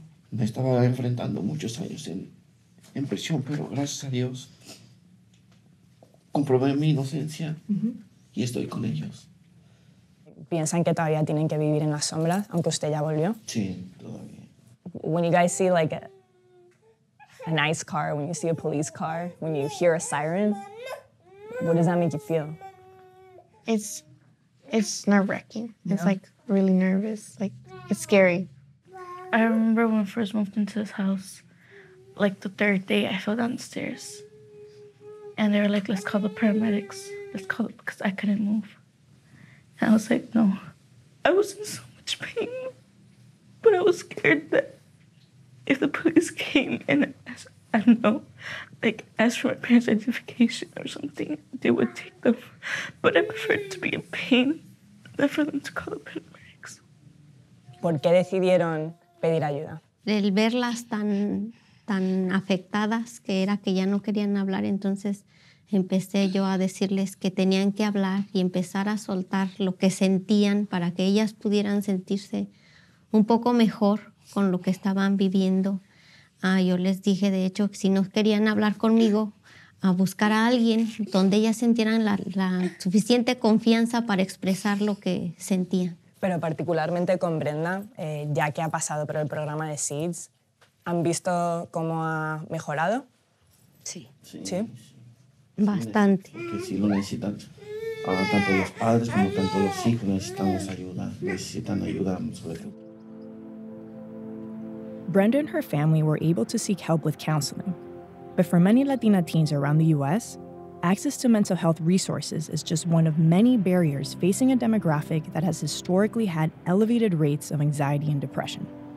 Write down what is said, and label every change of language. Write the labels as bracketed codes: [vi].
[es] Me estaba enfrentando muchos años en prisión, pero gracias a Dios comprobé mi inocencia y estoy con ellos. ¿Piensan que todavía tienen que vivir en las sombras, aunque usted ya volvió? Sí, todavía. [en] When you guys see like a nice car, when you see a police car, when you hear a siren, what does that make you feel? It's nerve-wracking. Yeah. It's like really nervous, like it's scary. I remember when I first moved into this house, like the third day I fell downstairs and they were like, let's call the paramedics. Let's call it because I couldn't move. And I was like, no, I was in so much pain, but I was scared that if the police came and, asked for my parents' identification or something, they would take them. But I preferred to be in pain than for them to call the paramedics. [es] ¿Por qué decidieron pedir ayuda? El verlas tan afectadas que era que ya no querían hablar, entonces empecé yo a decirles que tenían que hablar y empezar a soltar lo que sentían para que ellas pudieran sentirse un poco mejor con lo que estaban viviendo. Yo les dije, de hecho, que si no querían hablar conmigo, a buscar a alguien donde ellas sintieran la suficiente confianza para expresar lo que sentían. Pero particularmente con Brenda, ya que ha pasado por el programa de SEEDS, ¿han visto cómo ha mejorado? Sí. ¿Sí? Bastante. Porque sí lo necesitan. Tanto los padres como tanto los hijos necesitamos ayuda. Necesitan ayuda, sobre todo. [en] Brenda and her family were able to seek help with counseling. But for many Latina teens around the U.S., access to mental health resources is just one of many barriers facing a demographic that has historically had elevated rates of anxiety and depression.